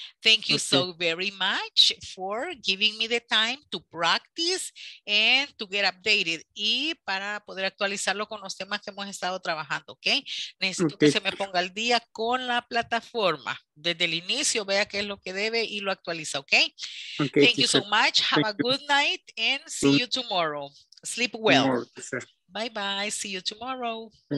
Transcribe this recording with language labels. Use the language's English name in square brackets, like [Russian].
[English] Thank you so very much for giving me the time to practice and to get updated. [Spanish] Y para poder actualizarlo con los temas que hemos estado trabajando, ¿ok? Necesito que se me ponga al día con la plataforma. Desde el inicio, vea qué es lo que debe y lo actualiza, ¿ok? [English] Thank you so much. Have a good night and see you tomorrow. Sleep well. Bye-bye. See you tomorrow.